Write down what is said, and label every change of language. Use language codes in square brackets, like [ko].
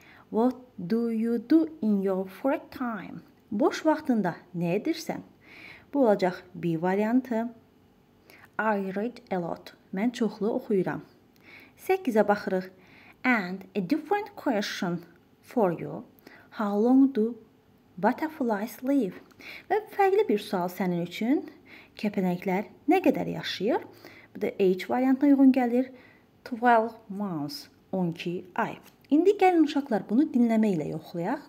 [en] What do you do in your free time? [az] Boş vaxtında nə edirsən? Bu olacaq B variantı. [en] I read a lot. [az] Mən çoxlu oxuyuram. 8-ə baxırıq. [en] And a different question for you. How long do butterflies live? [az] Və fərqli bir sual sənin üçün. Kəpənəklər nə qədər yaşayır? Bu da H variantına uyğun gəlir. [en] 12 months, [az] 12 ay. İndi gəlin uşaqlar bunu dinləmə ilə yoxlayaq.